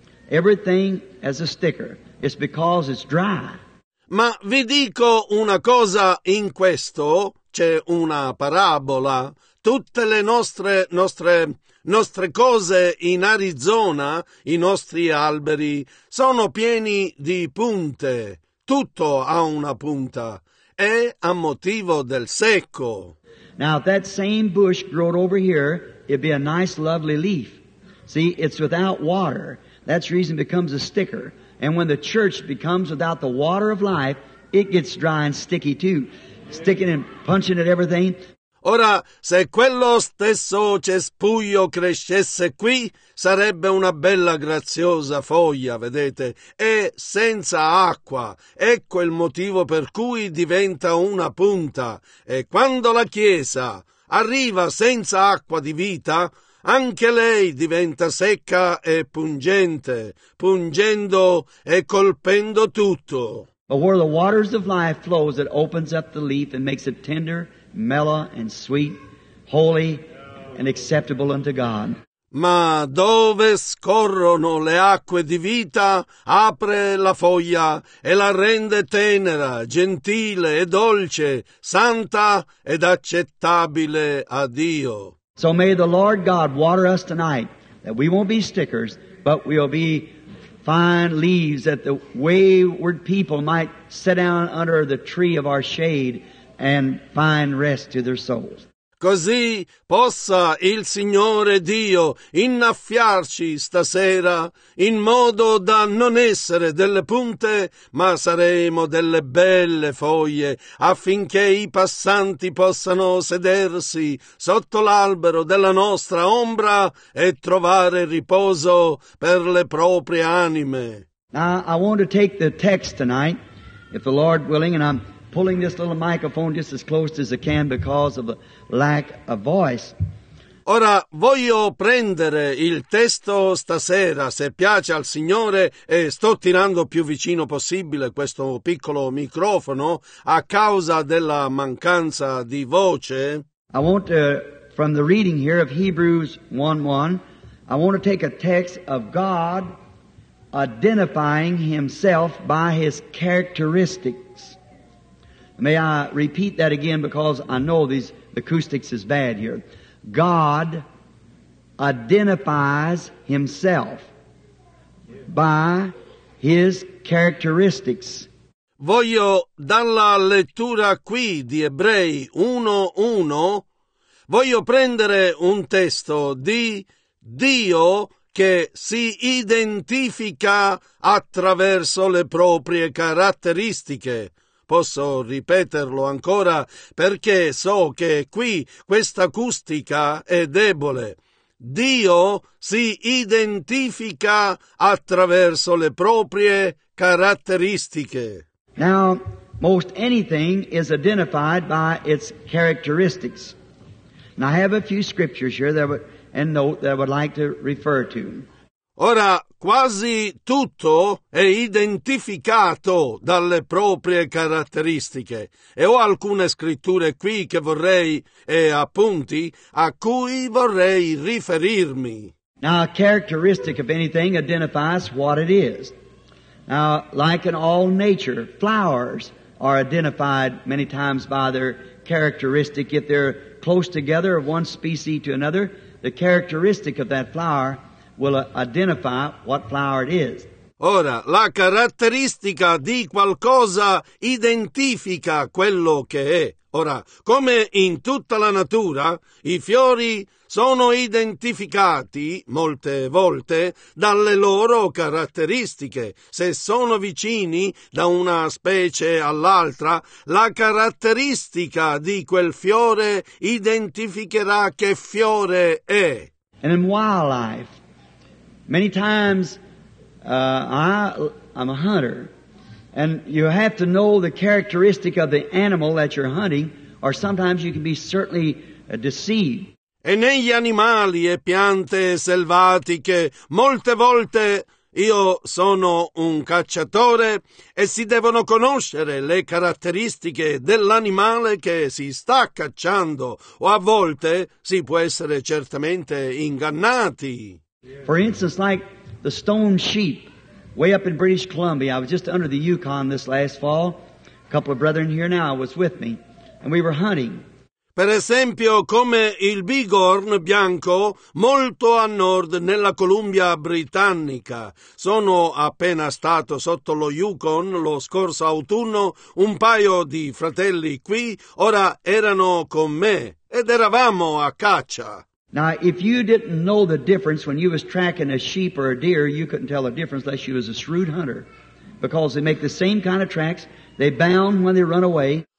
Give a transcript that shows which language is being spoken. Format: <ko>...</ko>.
<en>Everything has a sticker. It's because it's dry.</en> <it>Ma vi dico una cosa, in questo c'è una parabola. Tutte le nostre cose in Arizona, i nostri alberi, sono pieni di punte. Tutto ha una punta. È a motivo del secco.</it> <en>Now, if that same bush growed over here, it'd be a nice, lovely leaf. See, it's without water. That's reason it becomes a sticker. And when the church becomes without the water of life, it gets dry and sticky too. Sticking and punching at everything.</en> <it>Ora, se quello stesso cespuglio crescesse qui, sarebbe una bella graziosa foglia, vedete? E senza acqua. Ecco il motivo per cui diventa una punta. E quando la Chiesa arriva senza acqua di vita, anche lei diventa secca e pungente, pungendo e colpendo tutto.</it> <en>But where the waters of life flows, it opens up the leaf and makes it tender, mellow and sweet, holy and acceptable unto God.</en> <it>ma dove scorrono le acque di vita, apre la foglia e la rende tenera, gentile e dolce, santa ed accettabile a Dio.</it> <en>So may the Lord God water us tonight, that we won't be stickers, but we'll be fine leaves, that the wayward people might sit down under the tree of our shade and find rest to their souls.</en> <it>Così possa il Signore Dio innaffiarci stasera, in modo da non essere delle punte, ma saremo delle belle foglie, affinché i passanti possano sedersi sotto l'albero della nostra ombra e trovare riposo per le proprie anime.</it> <en>Now, I want to take the text tonight, if the Lord willing, and I'm pulling this little microphone just as close as I can because of the lack of voice.</en> <it>Ora voglio prendere il testo stasera, se piace al Signore, e sto tirando più vicino possibile questo piccolo microfono a causa della mancanza di voce.</it> <en>I want to, from the reading here of Hebrews 1:1, I want to take a text of God identifying himself by his characteristics. May I repeat that again, because I know these, the acoustics is bad here. God identifies himself by his characteristics.</en> <it>Voglio dalla lettura qui di Ebrei 1:1, voglio prendere un testo di Dio che si identifica attraverso le proprie caratteristiche. Posso ripeterlo ancora, perché so che qui questa acustica è debole. Dio si identifica attraverso le proprie caratteristiche.</it> <en>Now, most anything is identified by its characteristics. And I have a few scriptures here that and note that I would like to refer to.</en> <it>Ora, quasi tutto è identificato dalle proprie caratteristiche. E ho alcune scritture qui che vorrei, e appunti, a cui vorrei riferirmi.</it> <en>Now, a characteristic of anything identifies what it is. Now, like in all nature, flowers are identified many times by their characteristic. If they're close together of one species to another, the characteristic of that flower will identify what flower it is.</en> <it>Ora, la caratteristica di qualcosa identifica quello che è. Ora, come in tutta la natura, i fiori sono identificati, molte volte, dalle loro caratteristiche. Se sono vicini da una specie all'altra, la caratteristica di quel fiore identificherà che fiore è.</it> <en>And in wildlife, many times, I'm a hunter, and you have to know the characteristic of the animal that you're hunting, or sometimes you can be certainly deceived.</en> <it>E negli animali e piante selvatiche, molte volte io sono un cacciatore, e si devono conoscere le caratteristiche dell'animale che si sta cacciando, o a volte si può essere certamente ingannati.</it> <en>For instance, like the stone sheep way up in British Columbia. I was just under the Yukon this last fall. A couple of brethren here now was with me, and we were hunting.</en> <it>Per esempio, come il bighorn bianco, molto a nord nella Columbia Britannica. Sono appena stato sotto lo Yukon lo scorso autunno. Un paio di fratelli qui ora erano con me, ed eravamo a caccia.</it> <en>Now, if you didn't know the difference when you was tracking a sheep or a deer, you couldn't tell the difference unless you was a shrewd hunter, because they make the same kind of tracks. They bound when they run away.</en>